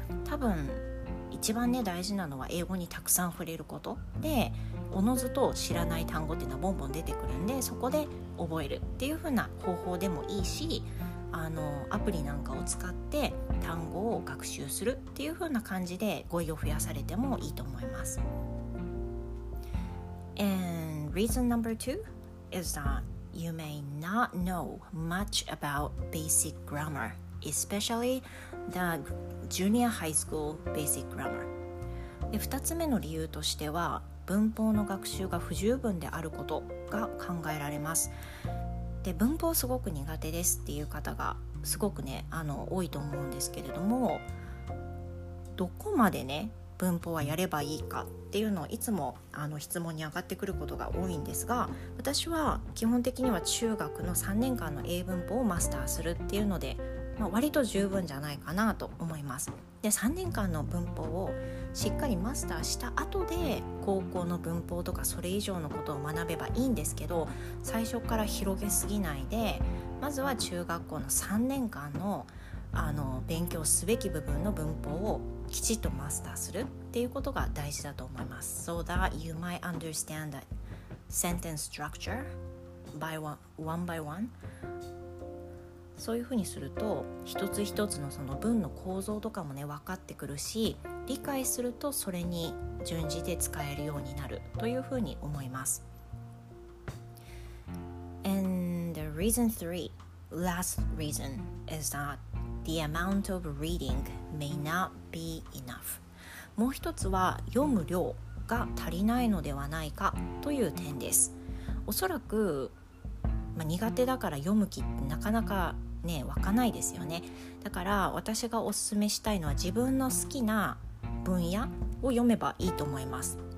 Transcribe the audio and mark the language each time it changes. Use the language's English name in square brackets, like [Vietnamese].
[Japanese] 多分一番ね大事なのは英語にたくさん触れることで、おのずと知らない単語っていうのはボンボン出てくるんで、そこで覚えるっていう風な方法でもいいし、アプリなんかを使って単語を学習するっていう風な感じで語彙を増やされてもいいと思います。 [English] And reason number two is that you may not know much about basic grammar, especially the junior high school basic grammar. [Japanese] で、二つ目の理由としては、文法の学習が不十分であることが考えられます。で、文法すごく苦手ですっていう方がすごくね多いと思うんですけれども、どこまでね文法はやればいいかっていうのをいつも質問に上がってくることが多いんですが、私は基本的には中学の3年間の英文法をマスターするっていうので、割と十分じゃないかなと思います。で、3年間の文法をしっかりマスターした後で高校の文法とかそれ以上のことを学べばいいんですけど、最初から広げすぎないで、まずは中学校の3年間の勉強すべき部分の文法をきちっとマスターするっていうことが大事だと思います。 [English] So that you might understand the sentence structure one by one. [Japanese] そういうふうにすると、一つ一つのその文の構造とかもね分かってくるし、理解するとそれに準じて使えるようになるというふうに思います。 [English] And the reason three, last reason, is that the amount of reading may not be enough. [Japanese] もう一つは、読む量が足りないのではないかという点です。おそらく、苦手だから読む気ってなかなかね、湧かないですよね。だから私がおすすめしたいのは、自分の好きな分野を読めばいいと思います。